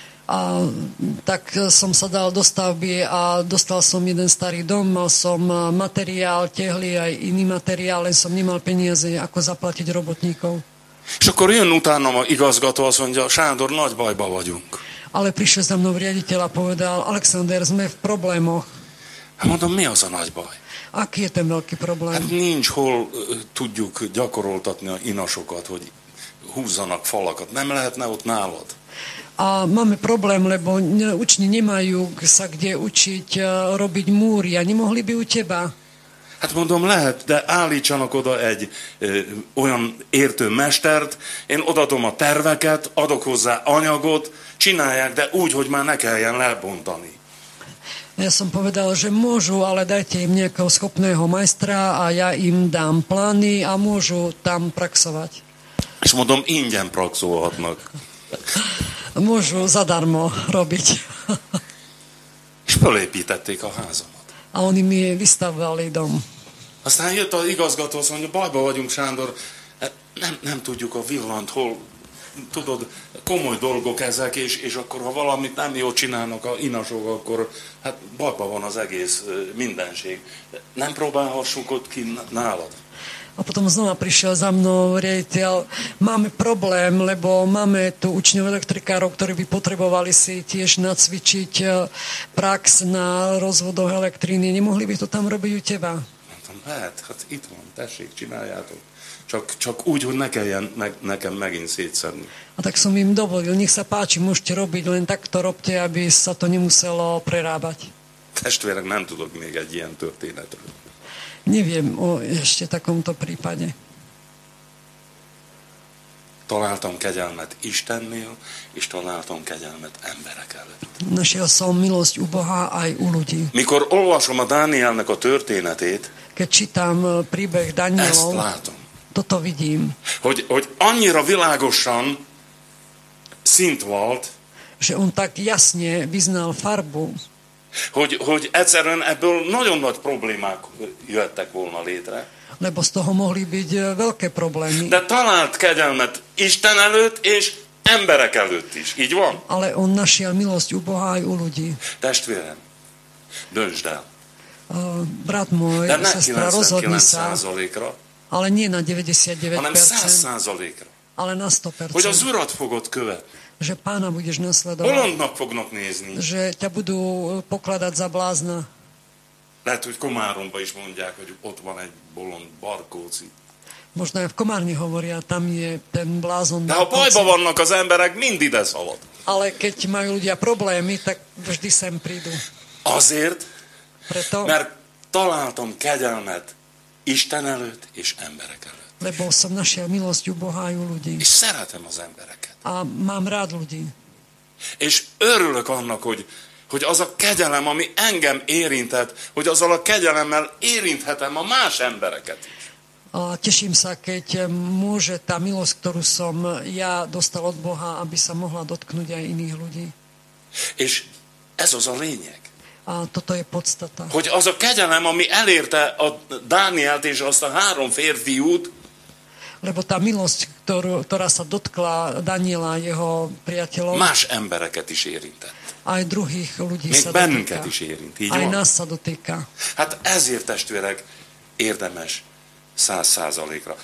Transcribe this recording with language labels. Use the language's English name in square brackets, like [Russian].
[Slovak] A tak som sa dal do stavby a dostal som jeden starý dom, mal som materiál, tehly aj iný materiál, len som nemal peniaze, ako zaplatiť robotníkov. [Hungarian] És akkor jön utánam a igazgató, azt mondja, Sándor, nagy bajba vagyunk. [Slovak] Ale prišiel za mnou riaditeľ a povedal, Alexander, sme v problémoch. [Hungarian] A mondom, mi az a nagy baj? [Slovak] Aký je ten veľký problém? [Hungarian] Hát nincs hol tudjuk gyakoroltatni a inasokat, hogy húzzanak falakat. Nem lehetne ott nálad? [Slovak] A máme problém, lebo učni nemajú sa kde učiť robiť múry. A nemohli by u teba? [Hungarian] Hát mondom, lehet, de állítsanak oda egy olyan értő mestert, én odaadom a terveket, adok hozzá anyagot, csinálják, de úgy, hogy már ne kelljen lebontani. [Slovak] Ja som povedal, že môžu, ale dajte im nejakého schopného majstra a ja im dám plány a môžu tam praxovať. [Hungarian] És mondom, ingyen praxolhatnak. [Slovak] Môžu zadarmo robiť. [Hungarian] És felépítették a házat. [Slovak] A oni mi vystavovali dom. [Hungarian] Aztán jött az igazgató, azt mondja, bajba vagyunk, Sándor, nem tudjuk a villant, hol, tudod, komoly dolgok ezek, és akkor, ha valamit nem jól csinálnak a inasok, akkor hát bajba van az egész mindenség. Nem próbálhassuk ott ki nálad? [Slovak] A potom znova prišiel za mnou riaditeľ, máme problém, lebo máme tu učňov elektrikárov, ktorí by potrebovali si tiež nacvičiť prax na rozvodoch elektriny. Nemohli by to tam robiť u teba? [Hungarian] Mám hát itt van, tessék, csináljátok. Csak úgy, hogy ne kelljen nekem megint szétszedni. [Slovak] A tak som im dovolil, nech sa páči, môžete robiť, len takto robte, aby sa to nemuselo prerábať. [Hungarian] Testvérek, nem tudok még egy ilyen történetről. [Slovak] Neviem o ešte takomto prípade. [Hungarian] Találtam kegyelmet Istennél, és találtam kegyelmet emberek előtt. [Slovak] Našiel som milosť u Boha aj u ľudí. [Hungarian] Mikor olvasom a Dánielnek a történetét, [Slovak] keď čítam príbeh Dánielov, [Hungarian] ezt látom. [Slovak] Toto vidím. [Hungarian] Hogy annyira világosan szint volt, [Slovak] že on tak jasne vyznal farbu, [Hungarian] Hogy egyszerűen ebből nagyon nagy problémák jöttek volna létre. [Slovak] Lebo z toho mohli byť veľké problémy. [Hungarian] De talált kegyelmet Isten előtt és emberek előtt is. Így van? [Slovak] Ale on našiel milosť u Boha aj u ľudí. [Hungarian] Testvérem, döntsd el. [Slovak] Brat môj, sestra, rozhodni sa. [Hungarian] De ne 99%-ra. [Slovak] Ale nie na 99%. [Hungarian] Hanem 100%-ra. [Slovak] Ale na 100%. [Hungarian] Hogy az Urat fogod követni. [Slovak] Že Pána budeš nasledovať. [Hungarian] Holondnak fognak nézni. [Slovak] Že ťa budú pokladať za blázna. [Hungarian] Lehet, hogy Komáromba is mondják, hogy ott van egy bolond Barkóci. [Slovak] Možno aj v Komárni hovoria, tam je ten blázon. [Hungarian] De ha bajba vannak az emberek, mind ide szalad. [Slovak] Ale keď majú ľudia problémy, tak vždy sem prídu. [Hungarian] Azért, mert találtam kegyelmet Isten előtt és emberek előtt. [Slovak] Lebo som našiel milosť u Boha i u ľudí. [Hungarian] És szeretem az embereket. [Slovak] A mám rád ľudí. [Hungarian] És örülök annak, hogy az a kegyelem, ami engem érintett, hogy azzal a kegyelemmel érinthetem a más embereket. [Slovak] A teším sa, keď môže tá milosť, ktorú som ja dostal od Boha, aby sa mohla dotknúť aj iných ľudí. [Hungarian] És ez az a lényeg. [Slovak] A toto je podstata. [Hungarian] Hogy az a kegyelem, ami elérte a Dánielt és azt a három férfiút. Lebo tá milosť, ktorá sa dotkla Daniela a jeho priateľov. Más embereket is érintett. [Slovak] Aj druhých ľudí [Hungarian] még [Slovak] sa dotýka. [Hungarian] Még bennünket is érint, így [Slovak] aj [Hungarian] van. [Slovak] Aj nás sa dotýka. [Hungarian] Hát ezért testvérek érdemes 100%-ra.